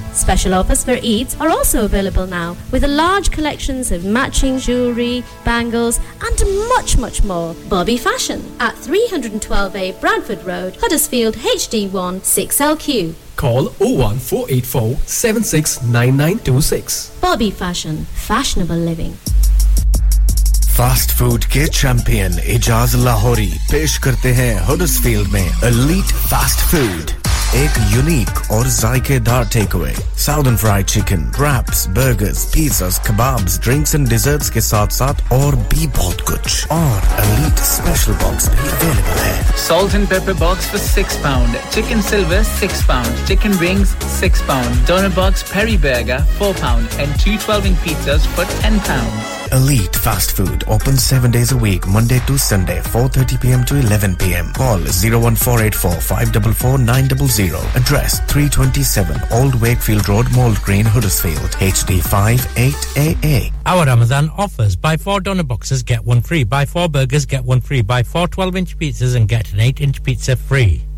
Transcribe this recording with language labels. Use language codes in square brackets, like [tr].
[en] Special offers for Eid are also available now, with a large collections of matching jewellery, bangles and much, much more. Bobby Fashion at 312A Bradford Road, Huddersfield HD1 6LQ. Call 01484 769926. Bobby Fashion, fashionable living. [hi] Fast food के champion Ijaz Lahori पेश करते हैं Huddersfield में elite fast food एक unique और जायकेदार takeaway [en] southern fried chicken wraps burgers pizzas kebabs drinks and desserts [hi] के साथ साथ और भी बहुत कुछ और एलीट स्पेशल बॉक्स भी अवेलेबल है [en] Salt and pepper box for £6 chicken silver £6 chicken rings £6 doner box peri burger £4 and 2 12 inch pizzas for £10 Elite Fast Food opens 7 days a week, Monday to Sunday, 4:30 p.m. to 11 p.m. Call 01484-544-900. Address 327 Old Wakefield Road, Mould Green, Huddersfield, HD58AA. Our Ramadan offers, buy 4 doner boxes, get 1 free, buy 4 burgers, get 1 free, buy 4 12-inch pizzas and get an 8-inch pizza free.